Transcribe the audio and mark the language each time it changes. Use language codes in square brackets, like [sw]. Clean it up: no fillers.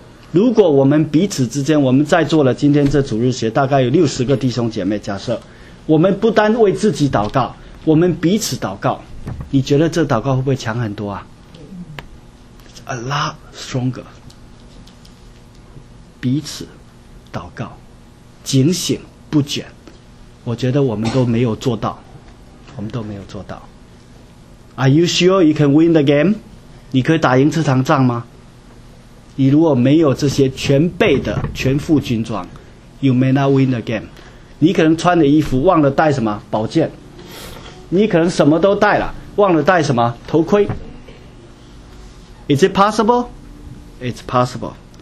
[zh] 如果我们彼此之间，我们在座了今天这主日学大概有60个弟兄姐妹，假设我们不单为自己祷告，我们彼此祷告，你觉得这祷告会不会强很多啊？ [en] A lot stronger。 [zh] 彼此祷告，警醒不倦，我觉得我们都没有做到，我们都没有做到。 [en] Are you sure you can win the game？ [zh] 你可以打赢这场仗吗？你如果没有这些全备的全副军装， [en] You may not win the game。 [zh] 你可能穿的衣服忘了带什么宝剑，你可能什么都带了忘了带什么头盔。 [en] Is it possible? It's possible。